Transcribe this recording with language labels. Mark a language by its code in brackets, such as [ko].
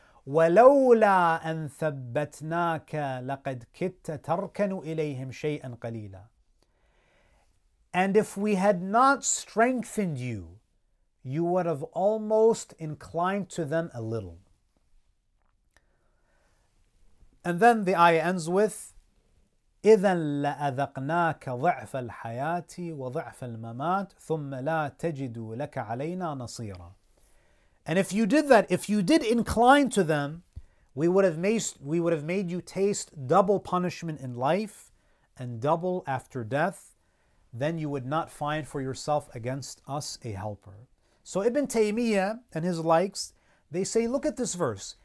[ar] وَلَوْلَا أَن ثَبَّتْنَاكَ لَقَدْ كِدْتَ تَرْكَنُ إِلَيْهِمْ شَيْئًا قَلِيلًا. [en] And if we had not strengthened you, you would have almost inclined to them a little. And then the ayah ends with, [ar] إِذَنْ لَأَذَقْنَاكَ ضَعْفَ الْحَيَاةِ وَضَعْفَ الْمَمَاتِ ثُمَّ لَا تَجِدُ لَكَ عَلَيْنَا نَصِيرًا. [en] And if you did that, if you did incline to them, we would have made you taste double punishment in life and double after death. Then you would not find for yourself against us a helper. So Ibn Taymiyyah and his likes, they say, look at this verse.